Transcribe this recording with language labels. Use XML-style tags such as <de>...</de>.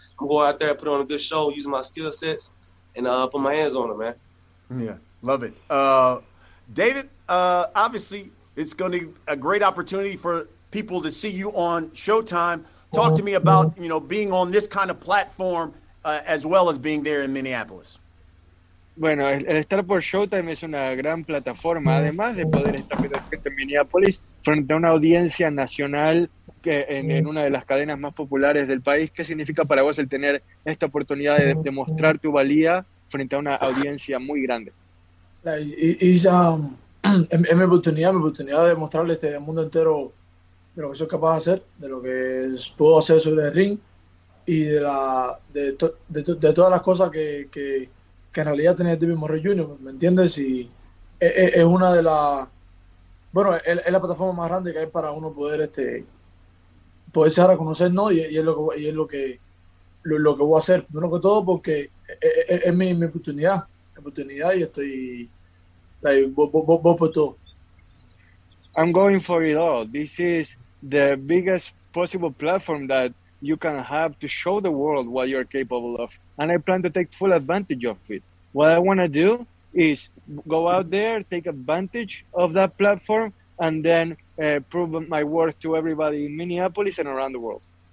<en>I'm going out there, put on a good show, using my skill sets, and put my hands on him, man. Yeah, love it. David, obviously, it's going to be a great opportunity for people to see you on Showtime. Talk to me about, you know, being on this kind of platform as well as being there in Minneapolis.</en> <es>Bueno, el estar por Showtime es una gran plataforma, además de poder estar presente en Minneapolis frente a una audiencia nacional que en una de las cadenas más populares del país. ¿Qué significa para vos el tener esta oportunidad de demostrar tu valía frente a una audiencia muy grande? Es mi oportunidad de mostrarle al mundo entero de lo que soy capaz de hacer, de lo que puedo hacer sobre el ring y de la de todas las cosas que en realidad tiene David Morrell Jr., ¿me entiendes? Y es una de las, bueno, es la plataforma más grande que hay para uno poder poderse dar a conocer, ¿no? Y es lo que voy a hacer, primero que todo, porque es mi oportunidad. Oportunidad, y estoy por todo.</es> <en>I'm going for it all. This is the biggest possible platform that you can have to show the world what you're capable of. And I plan to take full advantage of it. What I want to do is go out there, take advantage of that platform, and then prove my worth to everybody in Minneapolis and around the world.</en>